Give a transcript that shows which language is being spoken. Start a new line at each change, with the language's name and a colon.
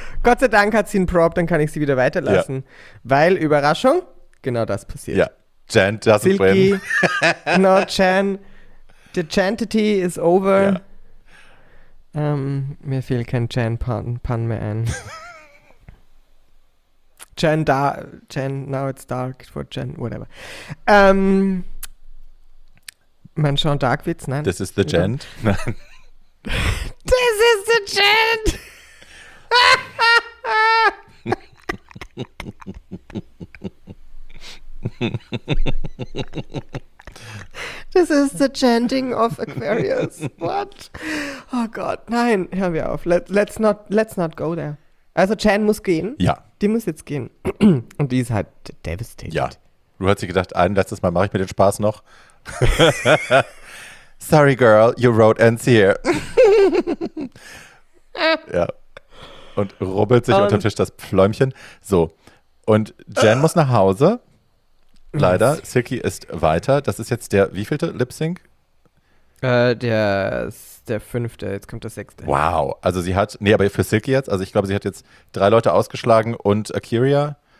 German: Gott sei Dank hat sie einen Prop, dann kann ich sie wieder weiterlassen. Ja. Weil, Überraschung, genau das passiert.
English: Ja. Jan doesn't Silky, win. No, Jan. The chantity is over. Ja.
German: Mir fehlt kein Jan-Pun mehr ein.
English: Jan, now it's dark for Jan, whatever.
German: Mein Jean-Dark-Witz, nein.
English: This is the Jan. This is the Jan. This is the chanting of Aquarius. What?
German: Oh Gott, nein, hör mir auf.
English: Let's not go there.
German: Also Chan muss gehen. Ja. Die muss jetzt gehen. Und die ist halt devastated. Ja. Du hast dir gedacht, ein letztes Mal mache ich mir den Spaß noch.
English: Sorry, girl, your road ends here.
German: Ja. Und rubbelt sich unter dem Tisch das Pfläumchen. So. Und Jan muss nach Hause. Leider, Silky ist weiter. Das ist jetzt der wievielte Lip-Sync? Der fünfte, jetzt kommt der sechste. Wow, also sie hat, nee, aber für Silky jetzt, also ich glaube, sie hat jetzt drei Leute ausgeschlagen und Akiria.